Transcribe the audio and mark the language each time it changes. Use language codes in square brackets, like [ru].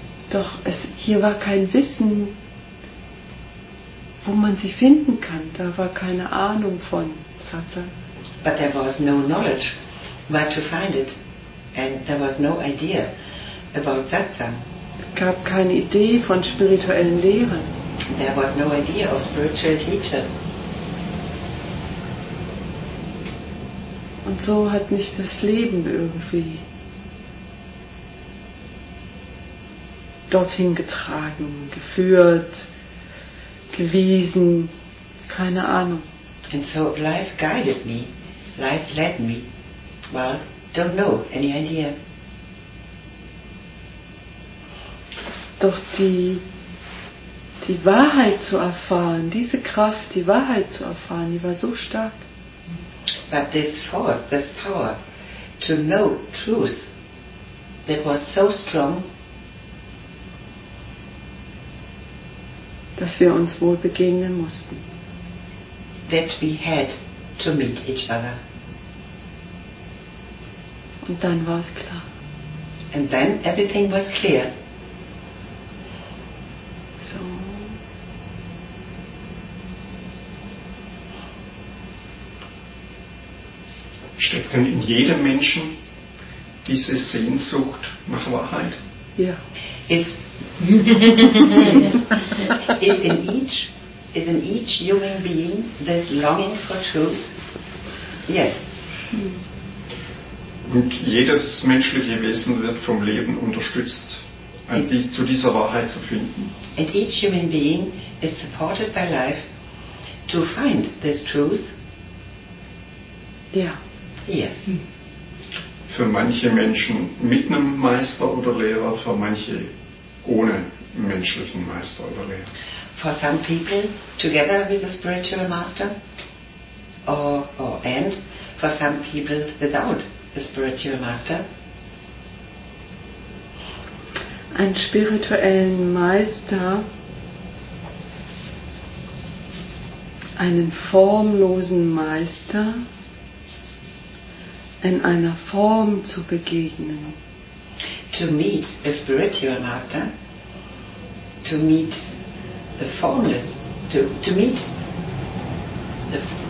[de] Doch es, hier war kein Wissen, wo man sie finden kann. Da war keine Ahnung von Satsang. [en] But there was no knowledge where to find it. And there was no idea about Satsang. [de] Es gab keine Idee von spirituellen Lehren. [en] There was no idea of spiritual teachers. [de] Und so hat mich das Leben irgendwie dorthin getragen, geführt, gewiesen, keine Ahnung. [en] And so life guided me, life led me. Well, don't know, any idea. [de] Doch die Wahrheit zu erfahren, diese Kraft, die Wahrheit zu erfahren, die war so stark. [en] But this force, this power to know truth, that was so strong, [de] dass wir uns wohl begegnen mussten. [en] That we had to meet each other. [de] Und dann war es klar. [en] And then everything was clear. [de] Steckt denn in jedem Menschen diese Sehnsucht nach Wahrheit? Ja. [en] Is in each human being that longing for truth? Yes. [de] Und jedes menschliche Wesen wird vom Leben unterstützt, zu dieser Wahrheit zu finden. [en] And each human being is supported by life to find this truth. [de] Ja. [en] Yes. [de] Für manche Menschen mit einem Meister oder Lehrer, für manche ohne menschlichen Meister oder Lehrer. [en] For some people together with a spiritual master and for some people without a spiritual master. [de] Einen spirituellen Meister, einen formlosen Meister in einer Form zu begegnen. [en] To meet a spiritual master, to meet the formless, to meet the...